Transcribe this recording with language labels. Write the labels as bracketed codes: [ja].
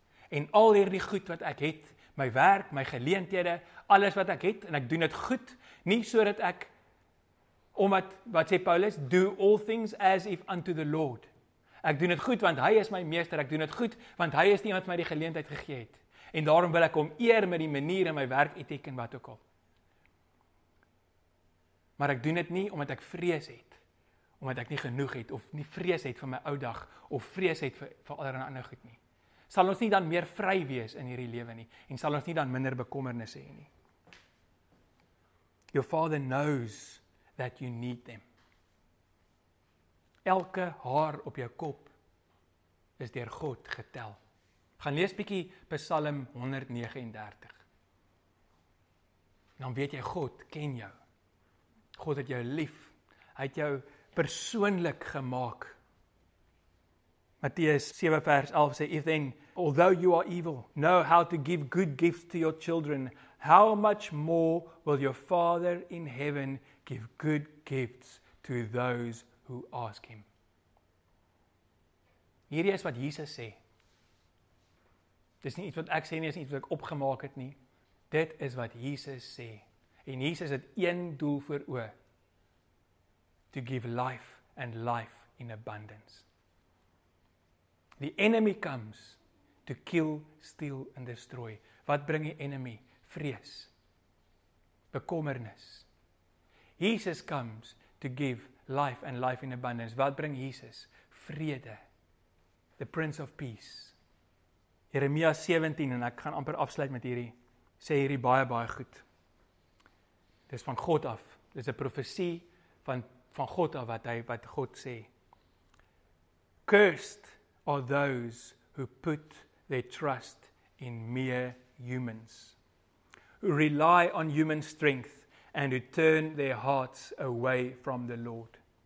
[af] En al hierdie goed wat ek het, my werk, my geleenthede, alles wat ek het, en ek doen dit goed, nie sodat ek, omdat, wat sê Paulus, [en] do all things as if unto the Lord. [af] Ek doen dit goed, want hy is my meester. Ek doen dit goed, want hy is die wat my die geleentheid gegee het. En daarom wil ek hom eer met die manier in my werk, etiek en wat ook al. Maar ek doen dit nie omdat ek vrees het. Omdat ek nie genoeg het, of nie vrees het vir my ou dag, of vrees het vir allerlei ander goed nie. Sal ons nie dan meer vry wees in hierdie lewe nie, en sal ons nie dan minder bekommernisse hê nie. [en] Your Father knows that you need them. [af] Elke haar op jou kop is deur God getel. Gaan lees bietjie Psalm 139. dan weet jy God ken jou. God het jou lief. Hy het jou persoonlik gemaak. Matteus 7 vers 11 sê, [en] If then, although you are evil, know how to give good gifts to your children, how much more will your Father in heaven give good gifts to those who ask him? [af] Hierdie is wat Jesus sê. Dit is nie iets wat ek sê nie, is nie iets wat ek opgemaak het nie. Dit is wat Jesus sê. En Jesus het een doel voor oë. [en] To give life and life in abundance. The enemy comes to kill, steal and destroy. [af] Wat bring die enemy? Vrees. Bekommernis. [en] Jesus comes to give life and life in abundance. [af] Wat bring Jesus? Vrede. [en] The Prince of Peace. [af] Jeremia 17, en ek gaan amper afsluit met hierdie, sê hierdie baie, baie goed. Dit is van God af. Dit is 'n profesie van God af wat God sê. [en] Cursed are those who put their trust in mere humans, who rely on human strength and who turn their hearts away from the Lord.